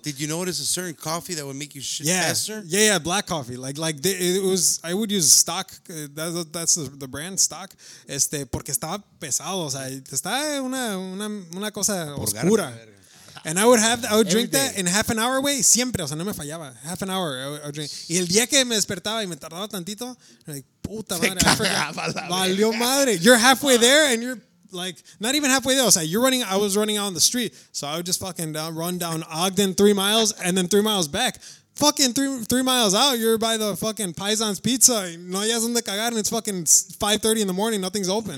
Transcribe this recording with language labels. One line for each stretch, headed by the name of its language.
English: Did you notice a certain coffee that would make you shit faster? Yeah, black coffee. Like it was, I would use stock, that's the brand, stock.
Spanish: Este, porque estaba pesado, o sea, está una cosa oscura.
English: And I would have, I would drink that in half an hour,
Spanish: wey, siempre, o sea, no me fallaba.
English: Half an hour, I would drink.
Spanish: Y el día que me despertaba y me tardaba tantito, like, puta madre, valió madre.
English: You're halfway there and you're, like, not even halfway there. I was like, you're running. I was running out on the street. So I would just fucking run down Ogden 3 miles and then 3 miles back. Fucking three miles out, you're by the fucking Paisan's Pizza.
Spanish: No hayas donde cagar,
English: and it's fucking 5:30 in the morning. Nothing's open.